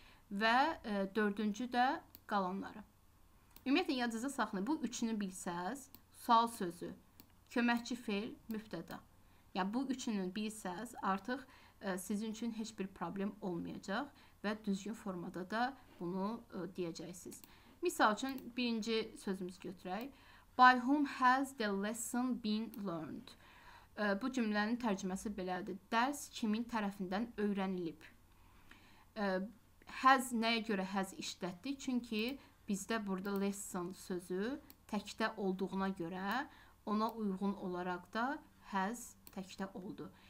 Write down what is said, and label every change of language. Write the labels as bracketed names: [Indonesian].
[Azerbaijani] Və dördüncü də qalanları. Ümumiyyətlə, yadınızda saxlayın. Bu üçünü bilsəz, sual sözü, köməkçi feil, mübtəda. Yəni, bu üçünü bilsəz, artıq sizin üçün heç bir problem olmayacaq və düzgün formada da bunu deyəcəksiniz. Misal üçün, birinci sözümüz götürək. [English] By whom has the lesson been learned? [Azerbaijani] Bu cümlənin tərcüməsi belədir. Dərs kimin tərəfindən öyrənilib? Has nəyə görə has işlətdik? Çünki bizdə burada lesson sözü təkdə olduğuna görə ona uyğun olaraq da has təkdə oldu.